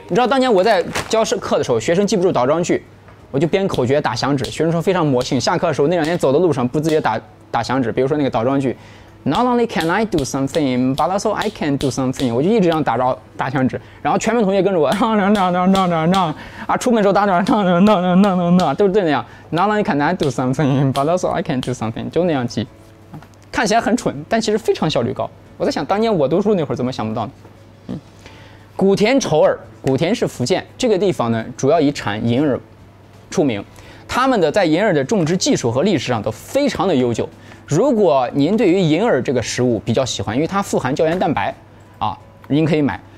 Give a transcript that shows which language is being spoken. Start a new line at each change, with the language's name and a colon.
Chinese: 你知道当年我在教课的时候，学生记不住倒装句，我就编口诀打响指，学生说非常魔性。下课的时候，那两天走的路上不自觉打响指，比如说那个倒装句 ，
English: Not only can I do something,
Chinese: but also I can do something。我就一直这样打响指，然后全班同学跟着我，啊，出门的时候打点都是那样。
English: Not only can I do something, but also I can do something，
Chinese: 就那样记。看起来很蠢，但其实非常效率高。我在想，当年我读书那会儿怎么想不到呢？嗯，古田丑耳，古田是福建这个地方呢，主要以产银耳出名。他们的在银耳的种植技术和历史上都非常的悠久。如果您对于银耳这个食物比较喜欢，因为它富含胶原蛋白，啊，您可以买。